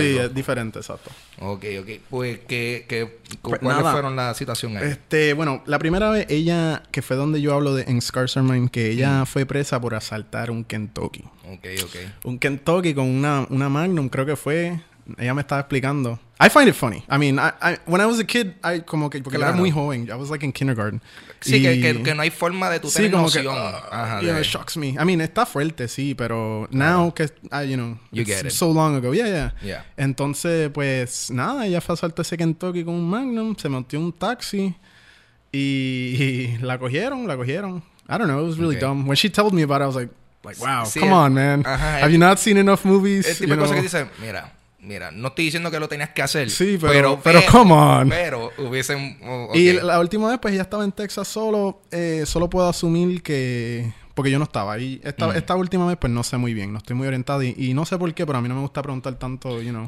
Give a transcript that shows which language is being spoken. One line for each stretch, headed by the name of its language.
Spanish: Sí, es diferente, exacto. Ok. Pues, ¿cuáles fueron las situaciones ahí? Bueno, la primera vez ella, que fue donde yo hablo en Scars Are Mine, que ella fue presa por asaltar un Kentucky.
English: Ok.
Spanish: Un Kentucky con una Magnum, creo que fue... Ella me estaba explicando.
English: I find it funny. I mean, when I was a kid, I
Spanish: como que... Porque era muy joven.
English: I was like in kindergarten.
Spanish: Sí, que no hay forma de tu tener noción.
English: Que, yeah, it shocks me. I mean,
Spanish: está fuerte, sí, pero
English: now que... you know, you get it. So long ago. Yeah, yeah. Yeah.
Spanish: Entonces, pues, nada. Ella fue a saltar ese Kentucky con un Magnum. Se montó un taxi. Y la cogieron.
English: I don't know. It was really dumb. When she told me about it, I was like wow, sí, come on, man. Ajá, have you not seen enough movies?
Spanish: El tipo de cosa que dice, mira, mira, no estoy diciendo que lo tenías que hacer. Sí, pero
English: come on.
Spanish: Pero hubiesen...
English: Okay.
Spanish: Y la última vez, pues, ya estaba en Texas solo. Solo puedo asumir que... Porque yo no estaba ahí. Esta última vez, pues, no sé muy bien. No estoy muy orientado. Y no sé por qué, pero a mí no me gusta preguntar tanto,
English: you know.